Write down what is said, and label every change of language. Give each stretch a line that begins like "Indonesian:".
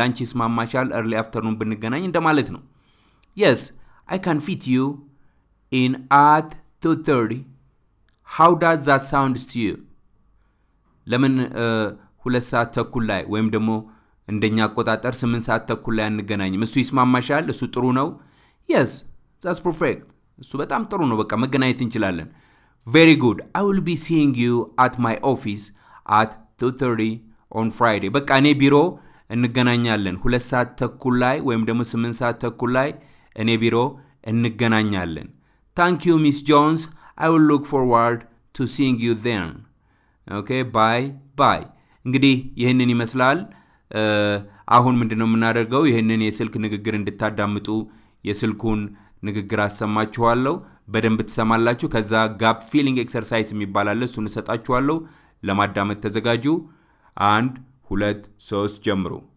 Amharic: ላንቺ ስማማሻል early afternoon ብንገናኝ እንደማለት ነው።
English: yes i can fit you in at 2:30. how does that sound to you?
Amharic: ለምን ሁለት ሰዓት ተኩል ላይ ወይም ደግሞ እንደኛ አቆጣጠር 8 ሰዓት ተኩል ላይ አንገናኝም? እሱ ይስማማሻል? እሱ ጥሩ ነው?
English: yes that's perfect.
Amharic: እሱ በጣም ጥሩ ነው። በቃ መገናኘት እንችላለን።
English: very good. i will be seeing you at my office at 2:30 on friday.
Amharic: በቃ እኔ ቢሮ እንገናኛለን 2 ሰዓት ተኩል ላይ ወይም ደግሞ 8 ሰዓት ተኩል ላይ እኔ ቢሮ እንገናኛለን።
English: thank you miss jones. i will look forward to seeing you then. okay bye bye.
Amharic: እንግዲህ ይሄንን ይመስላል። አሁን ምንድነው እናደርገው? ይሄንን የስልክ ንግግር እንድታዳምጡ የስልኩን ንግግር አሰማችኋለሁ። በደንብ ተሰማላችሁ። ከዛ gap filling exercise የሚባላል እሱን ሰጣችኋለሁ። ለማዳመጥ ተዘጋጁ። 1 2 3 ጀምሩ።